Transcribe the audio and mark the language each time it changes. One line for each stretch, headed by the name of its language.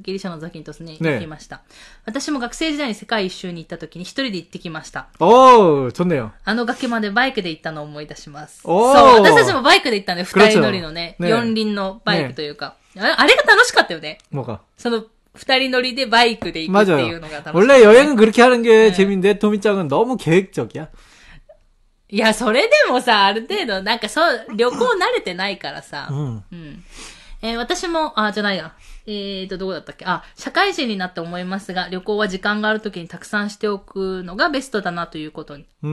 Japanese: ギリシャのザキントスに行きました。네、私も学生時代に世界一周に行った時に一人で行ってきました。
Korean: おお、좋네요。
Japanese: あの崖までバイクで行ったのを思い出します。おお、そう、私たちもバイクで行ったんで、二人乗りのね、四輪のバイクというか、네、あれが楽しかったよね。
Korean: 뭐가？
Japanese: その二人乗りでバイクで行くっていうのが楽しい。
Korean: 원래여행은그렇게하는게 재밌는데 도미짱은 너무 계획적이야。
Japanese: いや、それでもさ、ある程度、なんかそう、旅行慣れてないからさ。私も、あ、じゃないや。どこだったっけ？あ、社会人になって思いますが、旅行は時間があるときにたくさんしておくのがベストだなということに。